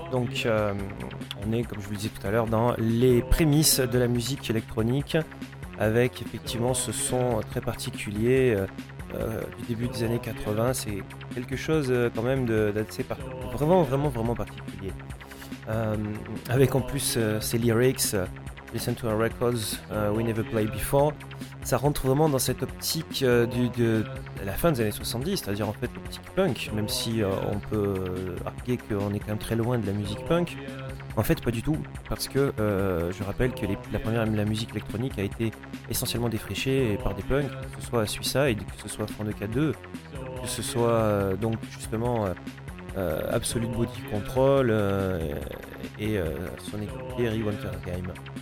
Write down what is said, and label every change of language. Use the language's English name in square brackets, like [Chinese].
[French] Donc, on est, comme je vous le disais tout à l'heure, dans les prémices de la musique électronique, avec effectivement ce son très particulier du début des années 80. C'est quelque chose quand même d'assez vraiment particulier. Avec en plus ces [English] lyrics, Listen to our records, we never played before. [French] Ça rentre vraiment dans cette optique de la fin des années 70, c'est-à-dire en fait l'optique punk, même si on peut arguer qu'on est quand même très loin de la musique punk. En fait, pas du tout, parce que je rappelle que la musique électronique a été essentiellement défrichée par des punks, que ce soit Suicide, que ce soit Front de K2, que ce soit donc justement Absolute Body Control et son équipe Harry Wintergame.